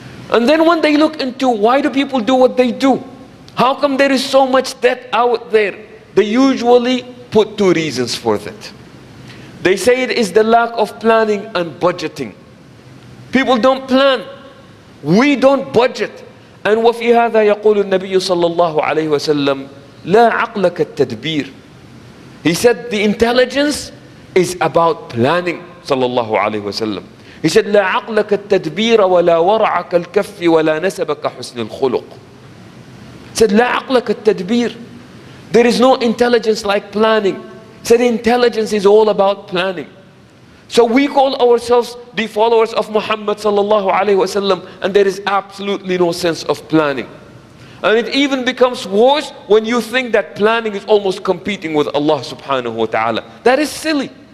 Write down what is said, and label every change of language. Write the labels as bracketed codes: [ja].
[en] And then when they look into why do people do what they do? How come there is so much debt out there? They usually put two reasons for that. They say it is the lack of planning and budgeting. People don't plan. We don't budget. [ar] And وفي هذا يقول النبي صلى الله عليه وسلم لا عقلك التدبير. [en] He said the intelligence is about planning [ar] صلى الله عليه وسلم. [en] He said [ar] لا عقلك التدبير ولا ورعك الكف ولا نسبك حسن الخلق. [en] He said [ar] لا عقلك التدبير. [en] There is no intelligence like planning. He said intelligence is all about planning. So we call ourselves the followers of Muhammad sallallahu alaihi wasallam, and there is absolutely no sense of planning. And it even becomes worse when you think that planning is almost competing with Allah subhanahu wa ta'ala. That is silly.